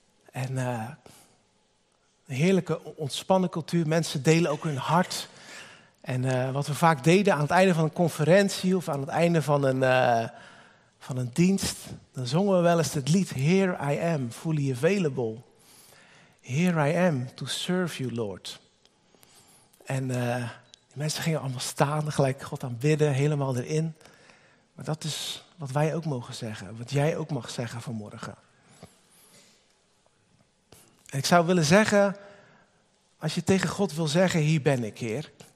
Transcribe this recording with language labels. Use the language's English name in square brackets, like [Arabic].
[Dutch] En een heerlijke, ontspannen cultuur. Mensen delen ook hun hart. En wat we vaak deden aan het einde van een conferentie of aan het einde van een dienst. Dan zongen we wel eens het lied Here I Am, Fully Available. [English] Here I Am, to serve you, Lord. [Dutch] En die mensen gingen allemaal staan, gelijk God aanbidden, helemaal erin. Maar dat is wat wij ook mogen zeggen, wat jij ook mag zeggen vanmorgen. En ik zou willen zeggen, als je tegen God wil zeggen, hier ben ik, Heer.